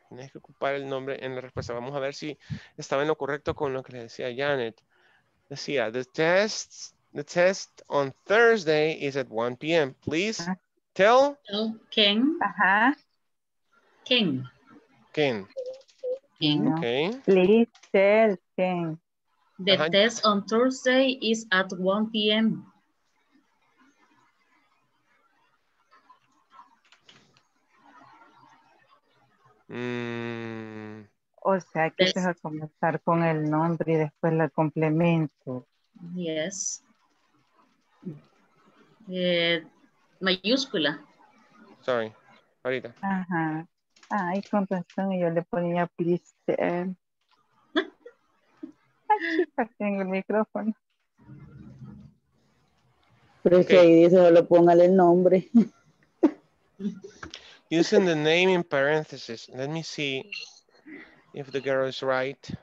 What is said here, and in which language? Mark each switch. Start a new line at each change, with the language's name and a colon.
Spanish: Tienes que ocupar el nombre en la respuesta. Vamos a ver si estaba en lo correcto con lo que le decía Janet.
English: Decía, the test on Thursday is at 1 p.m. Please tell. Tell Ken. Uh-huh. Ken. Ken. Ken. Okay. Please tell Ken. The test on Thursday is at 1 p.m.
Spanish: O sea, que se va a comenzar con el nombre y después el complemento.
English: Yes.
Spanish: Mayúscula. Sorry, ahorita. Ajá. Ay, con razón, yo le ponía please. Ay, tengo el micrófono. Pero okay. Es que ahí dice solo póngale el nombre.
English: Using the name in parentheses. Let me see if the girl is right.